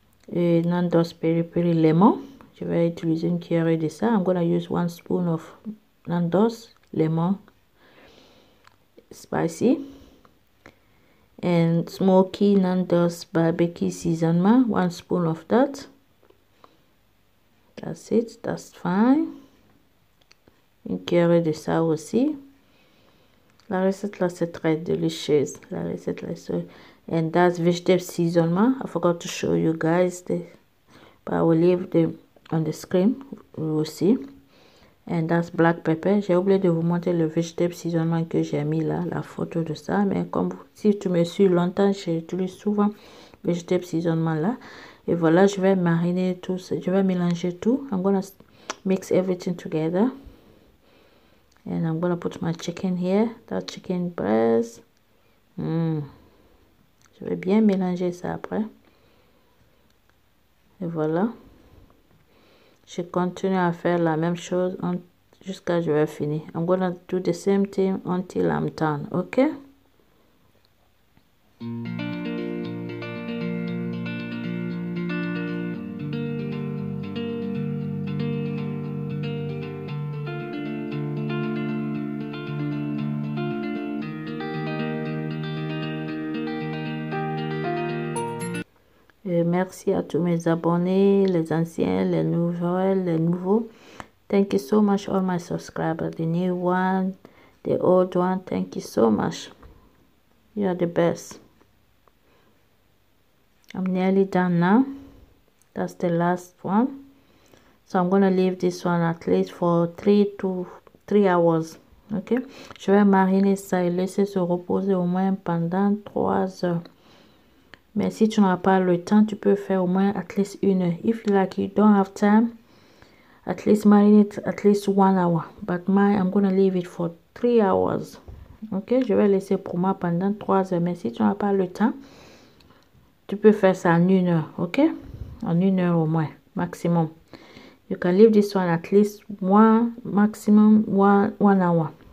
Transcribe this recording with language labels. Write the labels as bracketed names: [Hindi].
[French] Et Nando's Peri Peri Lemon, je vais utiliser une cuillère de ça. [English] I'm gonna use 1 spoon of Nando's Lemon Spicy. And Smoky Nando's Barbecue Seasonement, 1 spoon of that. That's it, that's fine. [French] Une cuillère de ça aussi. La recette là c'est très délicieuse. La recette là c'est... [English] And that's vegetable seasonment. I forgot to show you guys the, but I will leave them on the screen. We will see. And that's black pepper. [French] J'ai oublié de vous montrer le vegetable seasonment que j'ai mis là, la photo de ça. Mais comme si tu me suis longtemps, j'utilise souvent vegetable seasonment là. Et voilà, je vais mariner tout ça. Je vais mélanger tout. [English] I'm gonna mix everything together. And I'm gonna put my chicken here. That chicken breast. [French] Je vais bien mélanger ça après. Et voilà. Je continue à faire la même chose jusqu'à ce que je vais finir. [English] I'm gonna do the same thing until I'm done. Ok? [French] Merci à tous mes abonnés, les anciens, les nouveaux, [English] Thank you so much all my subscribers, the new one, the old one. Thank you so much. You are the best. I'm nearly done now. That's the last one. So I'm going to leave this one at least for 3 hours. Okay? [French] Je vais mariner ça et laisser se reposer au moins pendant 3 heures. Mais si tu n'as pas le temps, tu peux faire au moins [English] at least [French] une heure. [English] If like you don't have time, at least marinate at least 1 hour. But mine, I'm going to leave it for 3 hours. [French] Ok, je vais laisser pour moi pendant 3 heures. Mais si tu n'as pas le temps, tu peux faire ça en 1 heure. Ok, en 1 heure au moins, maximum. [English] You can leave this one at least one hour.